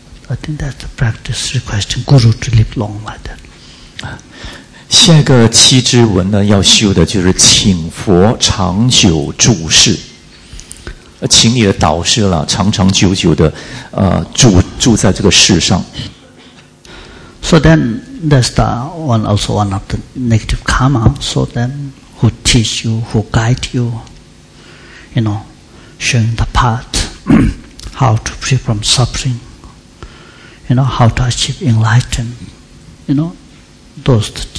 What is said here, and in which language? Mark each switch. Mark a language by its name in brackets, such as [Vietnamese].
[English] I think that's the practice requesting guru to live long like that. [Chinese] 下一个七支文呢，要修的就是请佛长久住世，请你的导师了长长久久的住在这个世上。 [English] So then that's the one also one of the negative karma. So then who teach you, who guide you, you know, showing the path how to free from suffering. You know how to achieve enlightenment. You know those.